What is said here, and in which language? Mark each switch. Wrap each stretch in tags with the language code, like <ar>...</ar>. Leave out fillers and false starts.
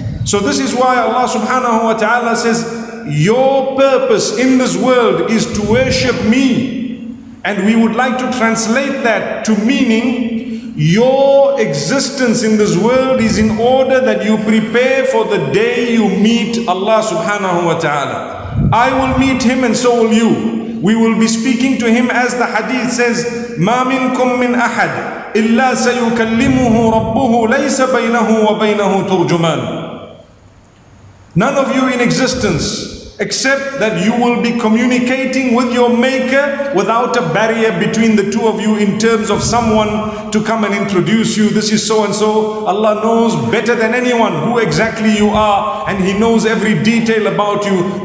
<en>So this is why Allah subhanahu wa ta'ala says, your purpose in this world is to worship me. And we would like to translate that to meaning, your existence in this world is in order that you prepare for the day you meet Allah subhanahu wa ta'ala. I will meet Him and so will you. We will be speaking to Him as the hadith says,</en> <ar>مَا مِنْكُمْ مِنْ أَحَدٍ إِلَّا سَيُكَلِّمُهُ رَبُّهُ لَيْسَ بَيْنَهُ وَبَيْنَهُ تُرْجُمَانٌ.</ar> <en>None of you in existence except that you will be communicating with your Maker without a barrier between the two of you in terms of someone to come and introduce you. This is so and so. Allah knows better than anyone who exactly you are, and He knows every detail about you.</en>